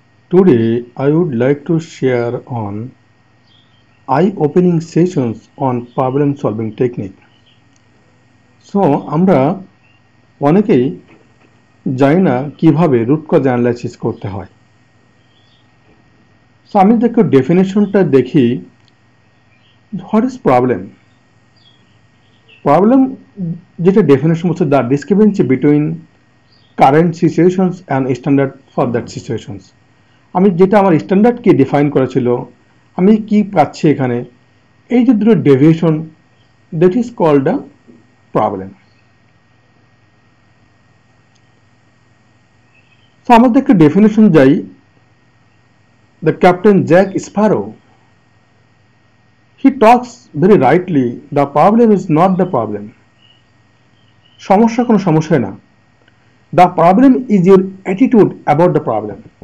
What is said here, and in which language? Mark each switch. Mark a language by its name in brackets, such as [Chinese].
[English] Today, I would like to share on eye-opening sessions on problem-solving technique. [Bangla] So, আমরা অনেকেই জানি না কিভাবে root cause analysis করতে হয়। So, আমি দেখো definitionটা দেখি। [English] What is problem? [Bangla] Problem যেটা definition বলছে, [English] the discrepancy between current situations and standard for that situations. [Bangla] আমি যেটা আমার স্ট্যান্ডার্ডকে ডিফাইন করেছিল, আমি কি পাচ্ছি এখানে, এই যে দুটো deviation, [English] That is called a problem. [Bangla] তো আমাদের একটা ডেফিনেশন যাই, [English] the captain Jack Sparrow, he talks very rightly, the problem is not the problem, [Bangla] সমস্যা কোনো সমস্যা না, [English] The problem is your attitude about the problem.